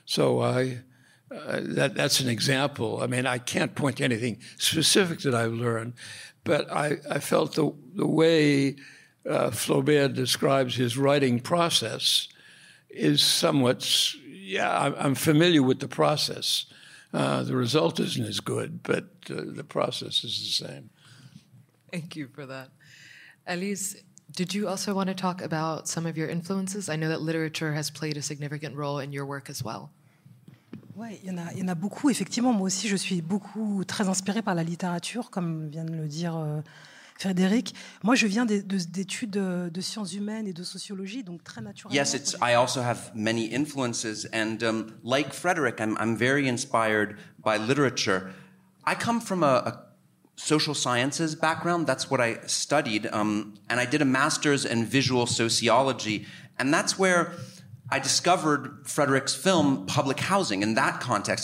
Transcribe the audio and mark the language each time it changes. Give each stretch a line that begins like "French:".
English: That's an example. I mean, I can't point to anything specific that I've learned, but I felt the way Flaubert describes his writing process is somewhat, I'm familiar with the process. The result isn't as good, but the process is the same. Thank you for that. Elise, did you also want to talk about some of your influences? I know that literature has played a significant role in your work as well.
French: Ouais, il y en a beaucoup. Effectivement, moi aussi, je suis beaucoup très inspirée par la littérature, comme vient de le dire Frédéric. Moi, je viens d'études de sciences humaines et de sociologie, donc très naturellement.
English: Yes, I also have many influences, and like Frédéric, I'm very inspired by literature. I come from a social sciences background. That's what I studied, and I did a master's in visual sociology, and that's where I discovered Frederick's film, Public Housing, in that context.